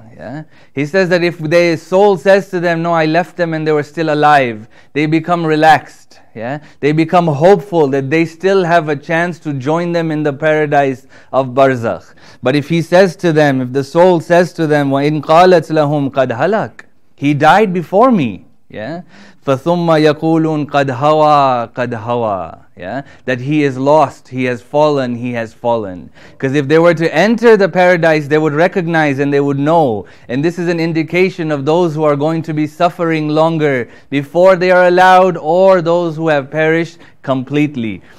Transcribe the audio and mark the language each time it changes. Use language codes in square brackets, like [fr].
[en] Yeah, he says that if their soul says to them, no, I left them and they were still alive, they become relaxed. Yeah, they become hopeful that they still have a chance to join them in the paradise of Barzakh. But if he says to them, if the soul says to them, [ar] وَإِنْ قَالَتْ لَهُمْ قَدْ هَلَكْ, [en] he died before me. [ar] Yeah, فَثُمَّ يَقُولُونَ قَدْ هَوَى قَدْ هَوَى. [en] Yeah, that he is lost, he has fallen, he has fallen. Because if they were to enter the paradise, they would recognize and they would know. And this is an indication of those who are going to be suffering longer before they are allowed, or those who have perished completely.